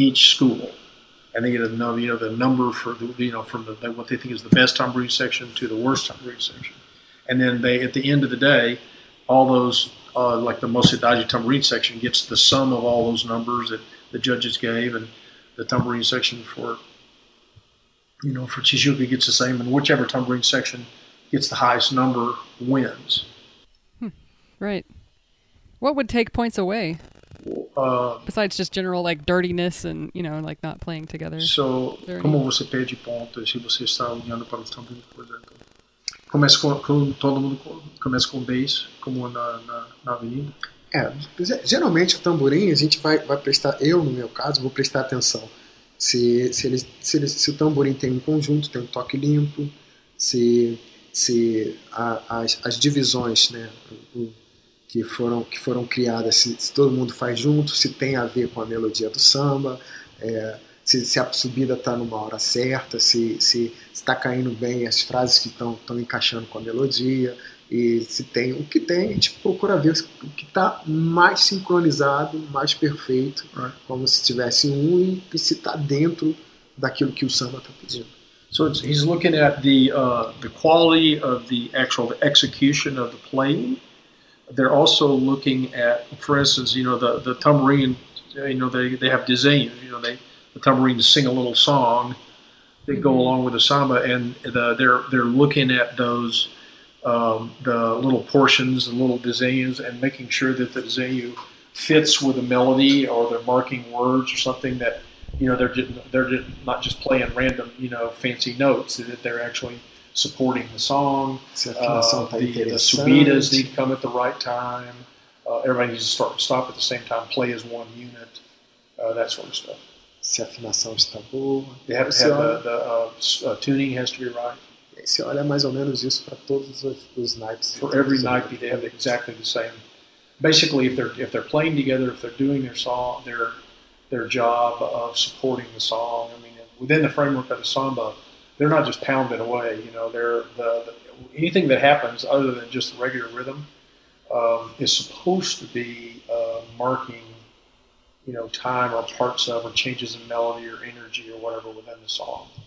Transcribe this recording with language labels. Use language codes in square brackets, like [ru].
[en] school, and they get a number, you know, the number for the, you know, from the what they think is the best tambourine section to the worst tambourine section, and then they, at the end of the day, all those like the Mocidade tambourine section gets the sum of all those numbers that the judges gave, and the tambourine section for, you know, for Tijuca gets the same, and whichever tambourine section gets the highest number wins. Right. What would take points away? Besides just general, like, dirtiness and, you know, like, not playing together. [pt] So, como você perde pontos se você está olhando para os tambores, por exemplo? Começa com todo mundo, começa com bass, como na avenida? É, geralmente o tamborim, a gente vai prestar, eu no meu caso, vou prestar atenção. Se o tamborim tem um conjunto, tem um toque limpo, se as divisões, né, que foram criadas, se todo mundo faz junto, se tem a ver com a melodia do samba, se a subida está numa hora certa, se tá caindo bem as frases que estão encaixando com a melodia, e se tem o que tem, a gente procura ver o que está mais sincronizado, mais perfeito, como se tivesse um, e se está dentro daquilo que o samba está pedindo. [en] So he's looking at the quality of the actual execution of the playing. They're also looking at, for instance, you know, the tambourine, you know, they have desenho, you know, the tambourines sing a little song that go along with the samba, and they're looking at those, the little portions, the little desenhos, and making sure that the desenho fits with the melody, or they're marking words or something that, you know, they're just not just playing random, you know, fancy notes, that they're actually supporting the song, the subidas need to come at the right time, everybody needs to start and stop at the same time, play as one unit, that sort of stuff. [pt] Se a afinação está boa. [en] They have to have the tuning has to be right. [pt] Se olha mais ou menos isso para todos os naipes. [en] For every naipe, they have exactly the same. Basically, if they're playing together, if they're doing their song, their job of supporting the song, I mean, within the framework of the samba, they're not just pounding away, you know. They're anything that happens other than just the regular rhythm is supposed to be marking, you know, time or parts of or changes in melody or energy or whatever within the song.